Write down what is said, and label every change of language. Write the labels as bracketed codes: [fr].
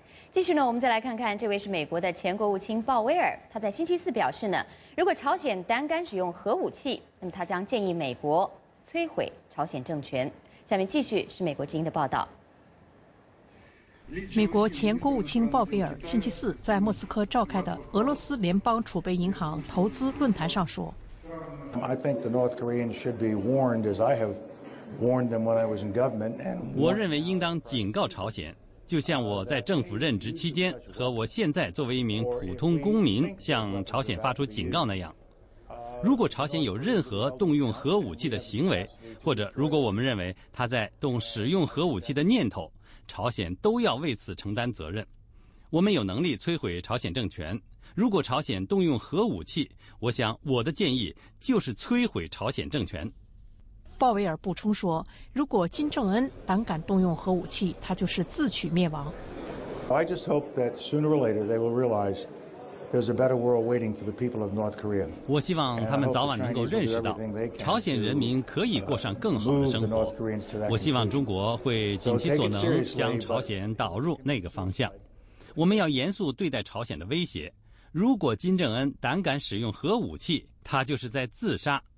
[zh] 继续呢，我们再来看看，这位是美国的前国务卿鲍威尔，他在星期四表示呢，如果朝鲜胆敢使用核武器，那么他将建议美国摧毁朝鲜政权。下面继续是美国之音的报道。美国前国务卿鲍威尔星期四在莫斯科召开的俄罗斯联邦储备银行投资论坛上说， [en] I think the North Koreans should be warned as I have warned them when I was in government. [zh] 我认为应当警告朝鲜，就像我在政府任职期间和我现在作为一名普通公民向朝鲜发出警告那样。如果朝鲜有任何动用核武器的行为，或者如果我们认为他在动使用核武器的念头，朝鲜都要为此承担责任。我们有能力摧毁朝鲜政权。如果朝鲜动用核武器，我想我的建议就是摧毁朝鲜政权。鲍威尔补充说，如果金正恩胆敢动用核武器，他就是自取灭亡。 [en] I just hope that sooner or later they will realize there's a better world waiting for the people of North Korea. [zh] 我希望他们早晚能够认识到，朝鲜人民可以过上更好的生活。我希望中国会尽其所能将朝鲜导入那个方向。我们要严肃对待朝鲜的威胁。如果金正恩胆敢使用核武器，他就是在自杀。